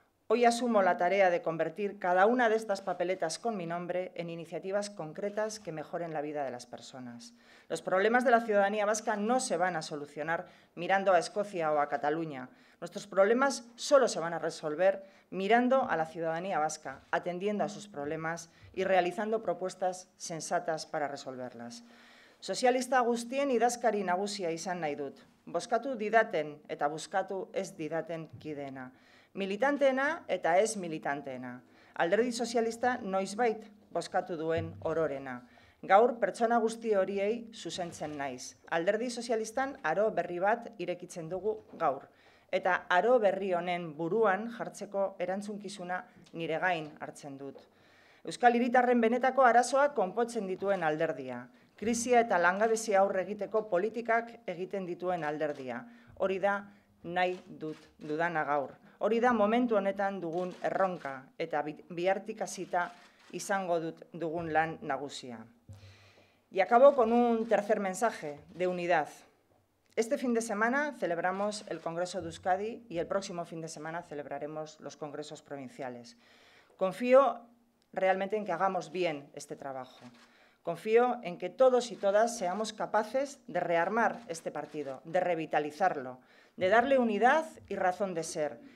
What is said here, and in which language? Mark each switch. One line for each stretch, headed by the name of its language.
Spanish: Hoy asumo la tarea de convertir cada una de estas papeletas con mi nombre en iniciativas concretas que mejoren la vida de las personas. Los problemas de la ciudadanía vasca no se van a solucionar mirando a Escocia o a Cataluña. Nuestros problemas solo se van a resolver mirando a la ciudadanía vasca, atendiendo a sus problemas y realizando propuestas sensatas para resolverlas.
Basque: Sozialista guztien idazkari nagusia izan nahi dut. Bozkatu didaten eta buskatu ez didaten kideena. Militanteena eta ez militanteena. Alderdi sozialista noizbait bozkatu duen ororena. Gaur pertsona guzti horiei zuzentzen naiz. Alderdi sozialistan aro berri bat irekitzen dugu gaur. Eta aro berri honen buruan jartzeko erantzunkizuna nire gain hartzen dut. Euskal hiritarren benetako arazoa konpotzen dituen alderdia. Krisia eta langabezia aurre egiteko politikak egiten dituen alderdia. Hori da nahi dut dudana gaur. Hori da momentu honetan dugun erronka eta bihartik hasita izango dugun lan nagusia.
Spanish: Y acabo con un tercer mensaje de unidad. Este fin de semana celebramos el Congreso de Euskadi y el próximo fin de semana celebraremos los congresos provinciales. Confío realmente en que hagamos bien este trabajo. Confío en que todos y todas seamos capaces de rearmar este partido, de revitalizarlo, de darle unidad y razón de ser.